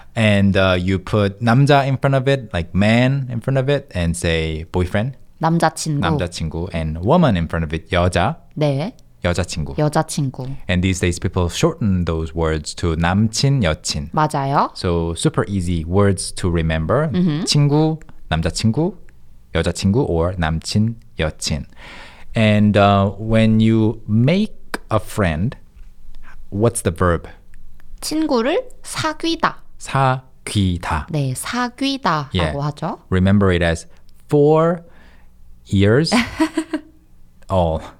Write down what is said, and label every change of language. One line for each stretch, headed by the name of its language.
English: And you put
Korean: 남자
English: in front of it, like man in front of it, and say boyfriend.
Korean: 남자친구. 남자친구.
English: And woman in front of it,
Korean: 여자. 네. 여자친구. 여자친구.
English: And these days, people shorten those words to
Korean: 남친, 여친. 맞아요.
English: So super easy words to remember. Mm-hmm.
Korean: 친구, 남자친구, 여자친구, or 남친, 여친.
English: And when you make a friend, what's the verb?
Korean: 친구를 사귀다. 사귀다. 네, 사귀다라고
English: yeah.
Korean: 하죠.
English: Remember it as 4 years. All.